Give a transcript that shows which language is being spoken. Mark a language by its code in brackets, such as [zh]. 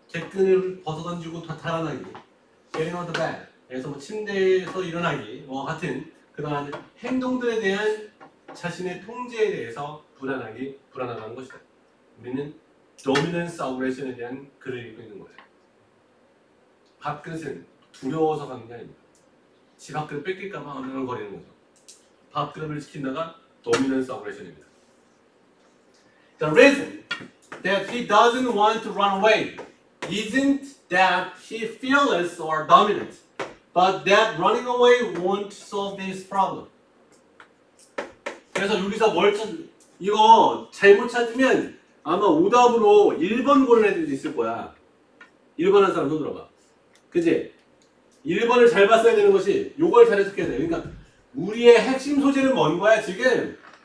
[ko] 개끈을 벗어던지고 달아나기 [en] getting on the bed [ko] 그래서 뭐 침대에서 일어나기 뭐 하여튼 그러한 행동들에 대한 자신의 통제에 대해서 불안하기 불안하다는 것이다. 우리는 dominance aggression에 대한 글을 읽고 있는 거야. 밥그릇은 두려워서 가는 게 아니야. 지 밥그릇 뺏길까봐 어리는 거죠. 밥그릇을 지킨다가 dominance aggression입니다. [en] The reason that he doesn't want to run away isn't that he fearless or dominant, but that running away won't solve this problem. [ko] 그래서 여기서 멀쩡 이거 잘못 찾으면 아마 오답으로 1번 고른 애들도 있을 거야. 1번 한 사람 손 들어봐. 그치? 1번을 잘 봤어야 되는 것이 요걸 잘 해석해야 돼. 그러니까 우리의 핵심 소재는 뭔 거야 지금?